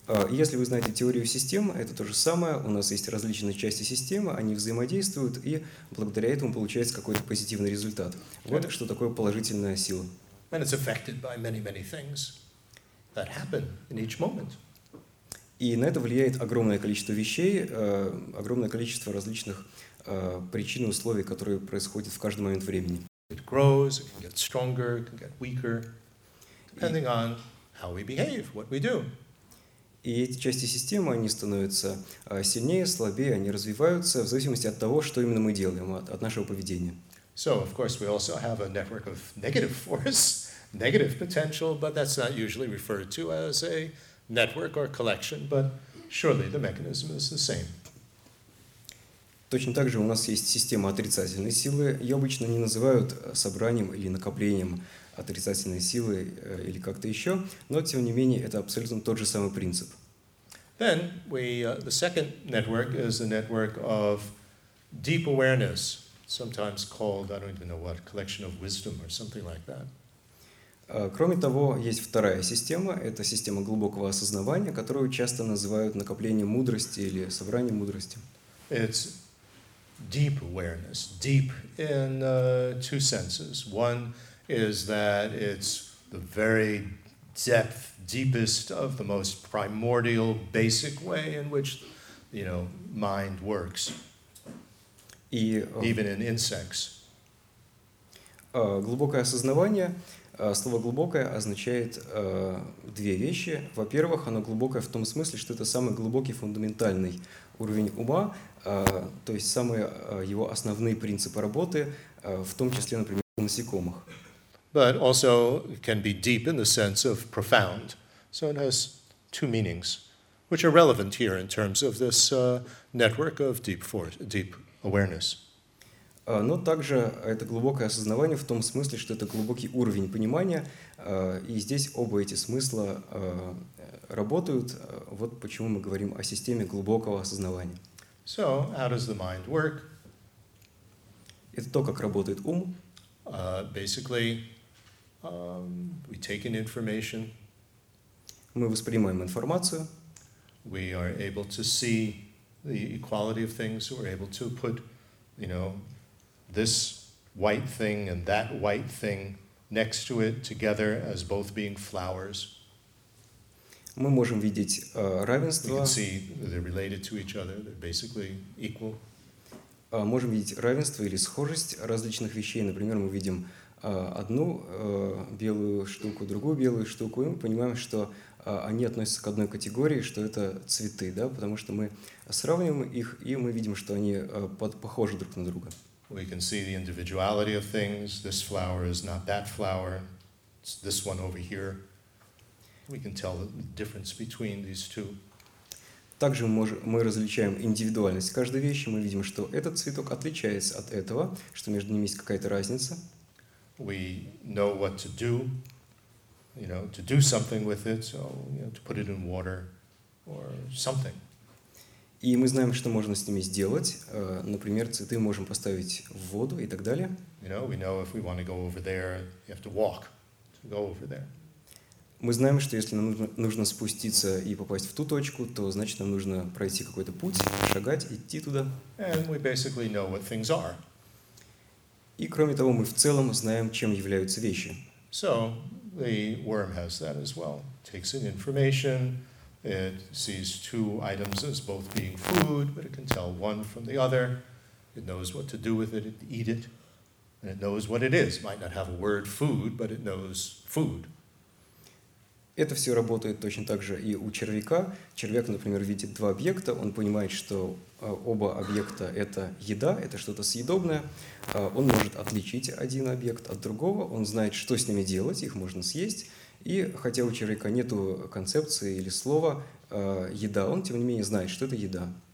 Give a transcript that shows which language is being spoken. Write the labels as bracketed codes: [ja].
[ru] Если вы знаете теорию систем, это то же самое. У нас есть различные части системы, они взаимодействуют, и благодаря этому получается какой-то позитивный результат. Вот что такое положительная сила. [en] And it's affected by many, many things that happen in each moment. [ru] И на это влияет огромное количество вещей, огромное количество различных причин и условий, которые происходят в каждый момент времени. [en] It grows, it can get stronger, it can get weaker, depending on how we behave, what we do. [ru] И эти части системы, они становятся сильнее, слабее, они развиваются в зависимости от того, что именно мы делаем, от нашего поведения. [en] So, of course, we also have a network of negative force, negative potential, but that's not usually referred to as a network or collection, but surely the mechanism is the same. [ru] Точно так же у нас есть система отрицательной силы. Ее обычно не называют собранием или накоплением отрицательной силы или как-то еще, но тем не менее это абсолютно тот же самый принцип. [en] Then the second network is the network of deep awareness, sometimes called, I don't even know what, collection of wisdom or something like that. [ru] Кроме того, есть вторая система, это система глубокого осознавания, которую часто называют накоплением мудрости или собранием мудрости. [en] It's deep awareness, deep in two senses. One is that it's the very depth, deepest of the most primordial, basic way in which, you know, mind works, even in insects. [ru] Глубокое осознавание. Слово «глубокое» означает две вещи. Во-первых, оно глубокое в том смысле, что это самый глубокий фундаментальный уровень ума, то есть самые его основные принципы работы, в том числе, например, у насекомых. [en] But also can be deep in the sense of profound. So it has two meanings, which are relevant here in terms of this network of deep force, deep awareness. [ru] Но также это глубокое осознавание в том смысле, что это глубокий уровень понимания, и здесь оба эти смысла работают. Вот почему мы говорим о системе глубокого осознавания. [en] So, how does the mind work? [ru] Это то, как работает ум. [en] Basically, we take in information. [ru] Мы воспринимаем информацию. [en] We are able to see the equality of things. We're able to put, you know, this white thing and that white thing next to it together as both being flowers. [ru] Мы можем видеть равенство. [en] We can see they're related to each other. They're basically equal. [ru] Можем видеть равенство или схожесть различных вещей. Например, мы видим одну белую штуку, другую белую штуку, и мы понимаем, что они относятся к одной категории, что это цветы, да, потому что мы сравниваем их, и мы видим, что они похожи друг на друга. [en] We can see the individuality of things. This flower is not that flower. It's this one over here. We can tell the difference between these two. [ru] Также мы различаем индивидуальность каждой вещи. Мы видим, что этот цветок отличается от этого, что между ними есть какая-то разница. [en] We know what to do, you know, to do something with it, so, you know, to put it in water or something. [ru] И мы знаем, что можно с ними сделать. Например, цветы можем поставить в воду и так далее. [en] You know, we know if we want to go over there, you have to walk to go over there. [ru] Мы знаем, что если нам нужно спуститься и попасть в ту точку, то значит нам нужно пройти какой-то путь, шагать, идти туда. [en] And we basically know what things are. [ru] И кроме того, мы в целом знаем, чем являются вещи. [en] So the worm has that as well. Takes in information, it sees two items as both being food, but it can tell one from the other. It knows what to do with it, it eat it, and it knows what it is. It might not have a word food, but it knows food. [ru] Это все работает точно так же и у червяка. Червяк, например, видит два объекта, он понимает, что оба объекта — это еда, это что-то съедобное. Он может отличить один объект от другого, он знает, что с ними делать, их можно съесть. И хотя у червяка нет концепции или слова «еда», он, тем не менее, знает, что это еда.